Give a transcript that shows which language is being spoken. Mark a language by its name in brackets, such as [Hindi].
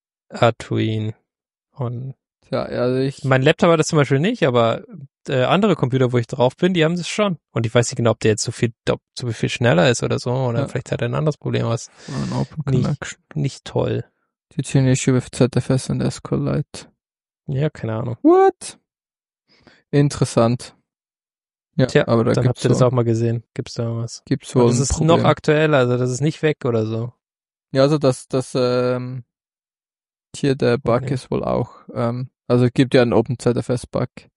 [German] Atuin. Und ja, also ich. Mein Laptop hat das zum Beispiel nicht, aber andere Computer, wo ich drauf bin, die haben das schon. Und ich weiß nicht genau, ob der jetzt so viel schneller ist oder so. Oder vielleicht hat er ein anderes Problem, was nicht toll. [English] Did you have an issue with ZFS and SQLite? [German] Ja, keine Ahnung. What? Interessant. Ja, tja, aber da dann habt ihr das auch mal gesehen. Gibt's da was? Gibt's wohl. Das ist noch aktuell, also das ist nicht weg oder so. Ja, also das hier der Bug ist wohl auch. Also es gibt ja einen OpenZFS-Bug.